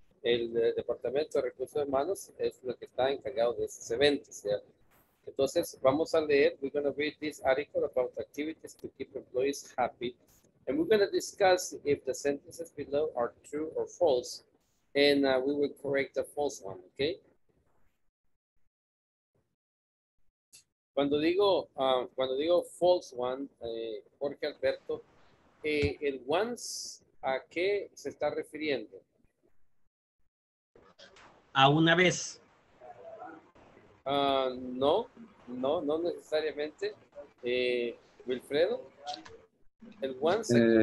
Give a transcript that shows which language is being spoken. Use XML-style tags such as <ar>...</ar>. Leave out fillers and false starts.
<es>El Departamento de Recursos Humanos es lo que está encargado de esos eventos, ¿ya? Entonces, vamos a leer,</es> <en>we're going to read this article about activities to keep employees happy, and we're going to discuss if the sentences below are true or false, and we will correct the false one, okay?</en> <es>Cuando digo</es> <en>false one,</en> <es>Jorge Alberto, el once, ¿a qué se está refiriendo? A una vez. No necesariamente. Wilfredo, el once.</es>